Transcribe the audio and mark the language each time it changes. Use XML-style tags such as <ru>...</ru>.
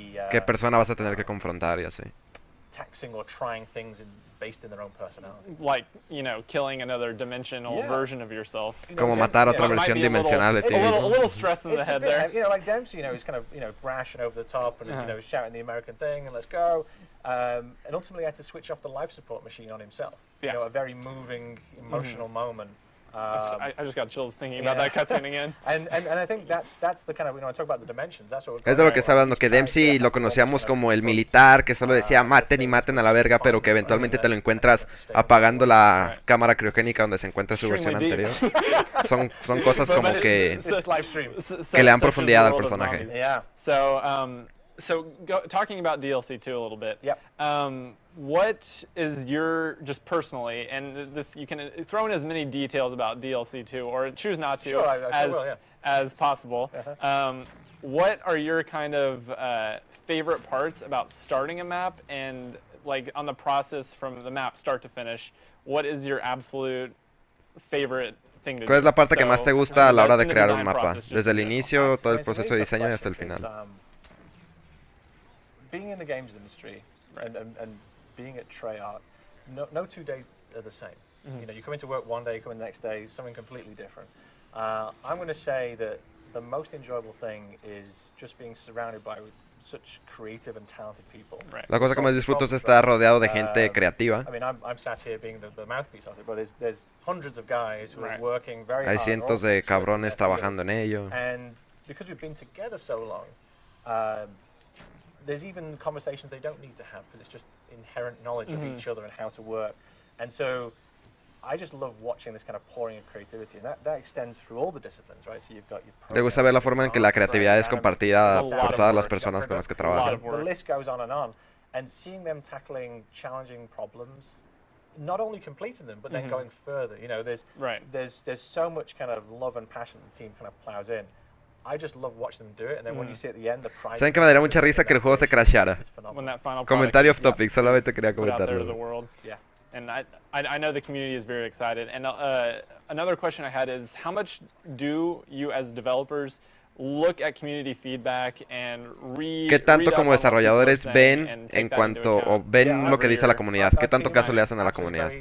<es>¿Qué persona vas a tener que confrontar y así?</es> <en>Taxing or trying things in based in their own personality. Like, you know, killing another dimensional version of yourself.</en> <es>Como matar otra versión dimensional de ti.</es> <en>A little stress in the head there. You know, like Dempsey, you know, he's kind of, you know, brash and over the top and is, you know, shouting the American thing and let's go. And ultimately had to switch off the life support machine on himself. Yeah. You know, a very moving, emotional moment. I just got chills thinking about that cutscene again. And I think that's the kind of, you know, I talk about the dimensions. That's what we're.</en> <es>Es de lo que está hablando, que Dempsey lo conocíamos como el militar que solo decía maten y maten a la verga, pero que eventualmente te lo encuentras apagando la cámara criogénica donde se encuentra su versión anterior. Son cosas como que le dan profundidad al personaje.</es> <en>So talking about DLC 2 a little bit. What is your, just personally, and this you can throw in as many details about DLC 2 or choose not to, sure, as possible. Uh-huh. What are your kind of favorite parts about starting a map and like on the process from the map start to finish? What is your absolute favorite thing to do?</en> <es>¿Cuál es la parte que más te gusta a la hora de crear un mapa? Desde el inicio, todo el proceso de diseño y hasta el final.</es> <en>Being in the games industry, and being at Treyarch, no 2 days are the same. Mm-hmm. You know, you come into work one day, you come in the next day, something completely different. I'm going to say that the most enjoyable thing is just being surrounded by such creative and talented people. Right.</en> <es>La cosa que más disfruto es estar rodeado de gente creativa.</es> <en>I mean, I'm sat here being the mouthpiece of it, but there's hundreds of guys who are working very</en> <es>hard. Hay cientos de cabrones trabajando en ello.</es> <en>And because we've been together so long, there's even conversations they don't need to have because it's just inherent knowledge of each other and how to work. And so I just love watching this kind of pouring of creativity, and that extends through all the disciplines, right? So you've got your</en> <es>program. Me gusta ver la forma en que la creatividad es compartida por todas las personas con las que trabajo.</es> <en>The list goes on and on, and seeing them tackling challenging problems, not only completing them but then going further, you know, there's so much kind of love and passion the team kind of plows in. I just love watching them do it, and then when you see at the end the prize.</en> <es>¿Saben que me daría mucha risa que el juego se crashara?</es> <en>When that final</en> <es>comentario off topic, solamente quería comentarlo.</es> <en>Yeah. And I know the community is very excited. And another question I had is, how much do you as developers look at community feedback and read?</en> <es>¿Qué tanto como desarrolladores ven en cuanto o ven lo que dice la comunidad? ¿Qué tanto caso le hacen a la comunidad?</es>